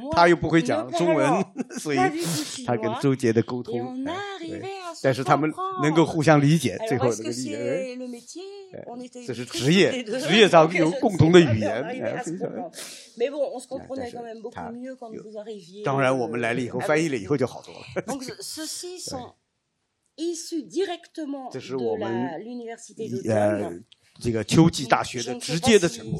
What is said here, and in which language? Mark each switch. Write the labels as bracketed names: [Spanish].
[French] Elle ne parle pas chinois. Donc, elle a avec Jodie de contrôle. Et on est arrivé à se comprendre. Alors, est-ce que c'est le métier? On était. C'est le travail. Mais bon, on se comprenait quand même beaucoup mieux quand vous arriviez. [Chinese] 当然，我们来了以后翻译了以后就好多了。 [French] Donc, ceux-ci sont issus directement de l'université d'automne. [Chinese] 这个秋季大学的直接的成果。